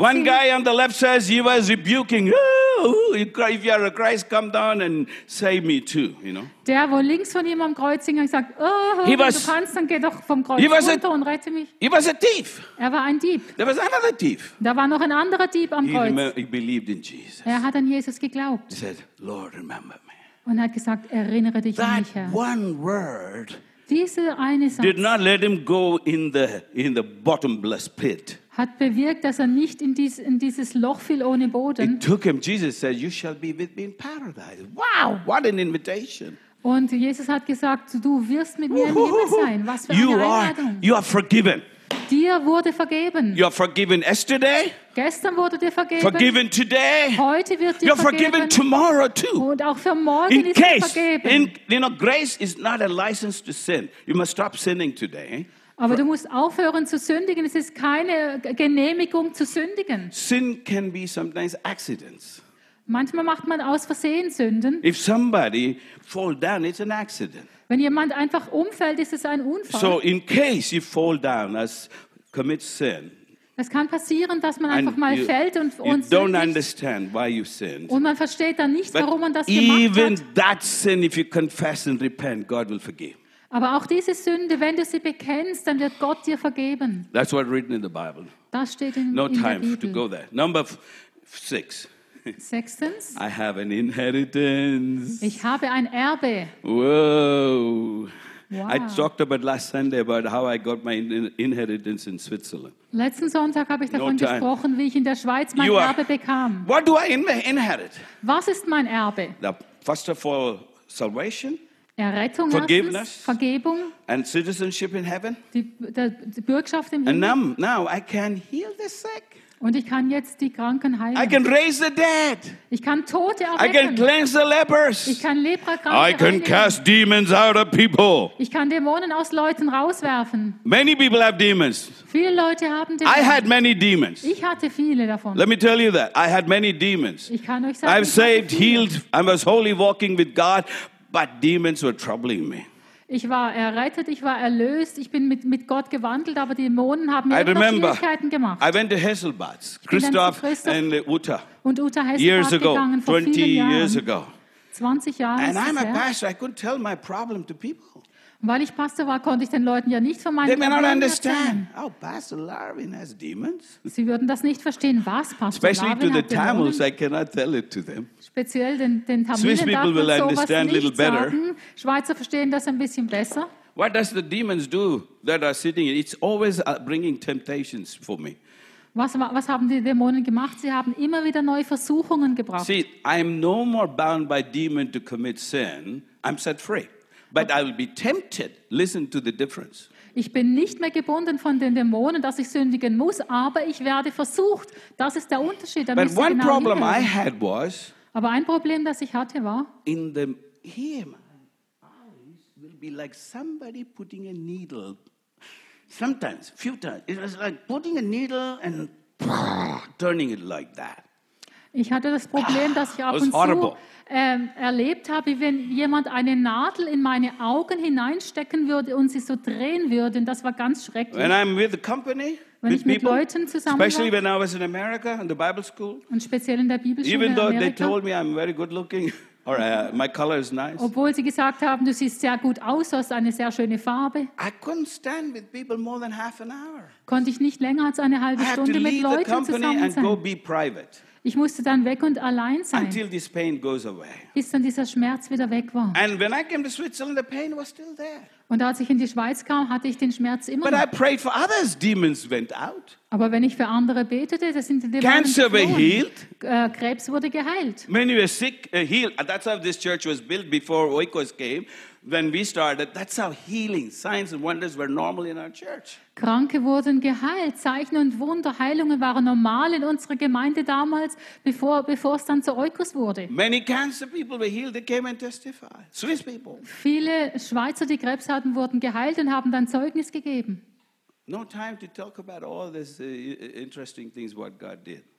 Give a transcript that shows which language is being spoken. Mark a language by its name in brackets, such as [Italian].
[English] One guy on the left says he was rebuking. If you are a Christ, come down and save me too. You know. [German] Der, wo links von ihm am Kreuz hing, sagt, wenn du kannst, dann geh doch vom Kreuz runter und rette mich. [English] He was a thief. [German] Er war ein Dieb. [English] There was another thief. [German] Da war noch ein anderer Dieb am Kreuz. [English] He believed in Jesus. [German] Er hat an Jesus geglaubt. [English] He said, Lord, remember me. [German] Und hat gesagt, erinnere dich an mich, Herr. [English] That one word. [German] Diese eine Satz. [English] Did not let him go in the bottomless pit. [German] Hat bewirkt, dass er nicht in dieses Loch fiel ohne Boden. [English] It took him. Jesus said, "You shall be with me in paradise." Wow, what an invitation! [German] Und Jesus hat gesagt, du wirst mit mir im Himmel sein. Was für eine Einladung! [English] You are forgiven. [German] Dir wurde vergeben. [English] You are forgiven yesterday. [German] Gestern wurde dir vergeben. [English] Forgiven today. [German] Heute wird dir [English] You're [German] vergeben. [English] Forgiven tomorrow too. [German] Und auch für morgen [English] in [German] ist [English] case, [German] dir vergeben. [English] In case, you know, grace is not a license to sin. You must stop sinning today. [German] Aber du musst aufhören zu sündigen. Es ist keine Genehmigung zu sündigen. [English] Sin can be sometimes accidents. [German] Manchmal macht man aus Versehen Sünden. [English] If somebody fall down, it's an accident. [German] Wenn jemand einfach umfällt, ist es ein Unfall. [English] So in case you fall down, as commit sin. [German] Es kann passieren, dass man einfach mal fällt und [English] you don't understand why you sinned. [German] Und man versteht dann nicht, warum man das gemacht hat. [English] Even that sin, if you confess and repent, God will forgive. [German] Aber auch diese Sünde, wenn du sie bekennst, dann wird Gott dir vergeben. [English] That's what written in the Bible. [German] Das steht in, [English] no in time [German] der Bibel. [English] To go there. Number 6. [German] Sechstens. [English] I have an inheritance. [German] Ich habe ein Erbe. Whoa. Wow. [English] I talked about last Sunday about how I got my inheritance in Switzerland. [German] Letzten Sonntag habe ich davon gesprochen, wie ich in der Schweiz mein Erbe bekam. [English] What do I inherit? [German] Was ist mein Erbe? [English] First of all, salvation. [German] Errettung, [English] Forgiveness, [German] erstens, Vergebung, [English] and citizenship in heaven. [German] Die Bürgschaft im Himmel. [English] And now I can heal the sick. [German] Und ich kann jetzt die Kranken heilen. [English] I can raise the dead. [German] Ich kann Tote erretten. [English] I can cleanse the lepers. [German] Ich kann Leprakranke [English] heilen. I can cast demons out of people. [German] Ich kann Dämonen aus Leuten rauswerfen. [English] Many people have demons. [German] Viele Leute haben Dämonen. [English] I had many demons. [German] Ich hatte viele davon. [English] Let me tell you that I had many demons. [German] Ich kann euch sagen, [English] I've saved, healed. I was holy walking with God. But demons were troubling me. [German] Ich war errettet, ich war erlöst, ich bin mit Gott gewandelt, aber die Dämonen haben mir Schwierigkeiten gemacht. [English] I went to Hasselbads, Christoph and Uta. [German] Und Uta Hasselbads gegangen vor [English] 20 years ago. [German] 20 Jahre. [English] And I'm a pastor, I couldn't tell my problem to people. [German] Weil ich Pastor war, konnte ich den Leuten ja nicht von meinen Problemen erzählen. [English] Oh, Pastor Larvin has demons. [German] Sie würden das nicht verstehen, was Pastor Larvin hat [English] Tamils, I cannot tell it to them. [German] Speziell den Tamilen darf man sowas nicht sagen. Schweizer verstehen das ein bisschen besser. [English] What does the demons do that are sitting? It's always bringing temptations for me. [German] Was haben die Dämonen gemacht? Sie haben immer wieder neue Versuchungen gebracht. [English] See, I'm no more bound by demon to commit sin. I'm set free. But I will be tempted. Listen to the difference. [German] Ich bin nicht mehr gebunden von den Dämonen, dass ich sündigen muss, aber ich werde versucht. Das ist der Unterschied. [English] But one problem I had was, [German] aber ein Problem, das ich hatte, war, [English] in the ear, my eyes will be like somebody putting a needle. Sometimes, few times, it was like putting a needle and turning it like that. [German] Ich hatte das Problem, dass ich ab und zu erlebt habe, wie wenn jemand eine Nadel in meine Augen hineinstecken würde und sie so drehen würde. Und das war ganz schrecklich. [English] When I'm with the company, [German] wenn [English] with [German] ich mit Leuten zusammen [English] especially [German] war, [English] when I was in America, in the Bible school, [German] und speziell in der Bibelschule [English] even though [German] in Amerika, [English] they told me I'm very good looking, or my color is nice, [German] obwohl sie gesagt haben, du siehst sehr gut aus, hast eine sehr schöne Farbe, [English] I couldn't stand with people more than half an hour. [German] Konnte ich nicht länger als eine halbe Stunde mit Leuten zusammen sein. [English] I had to leave the company and go be private. [German] Ich musste dann weg und allein sein. [English] Until this pain goes away. [German] Bis dann dieser Schmerz wieder weg war. [English] And when I came to Switzerland, the pain was still there. [German] Und als ich in die Schweiz kam, hatte ich den Schmerz immer [English] but [German] noch. [English] I prayed for others, demons went out. [German] Aber wenn ich für andere betete, da sind die Dämonen geflohen. [English] Cancer were healed. [German] Krebs wurde geheilt. [English] Many were sick, healed. And that's how this church was built before Oikos came. When we started, that's how healing, signs and wonders were normal in our church. [German] Kranke wurden geheilt, Zeichen und Wunder, Heilungen waren normal in unserer Gemeinde damals, bevor es dann zu Oikos wurde. [English] Many cancer people were healed, they came and testified. Swiss people. [German] Viele Schweizer, die Krebs hatten, wurden geheilt und haben dann Zeugnis gegeben. [English] No time to talk about all these interesting things what God did.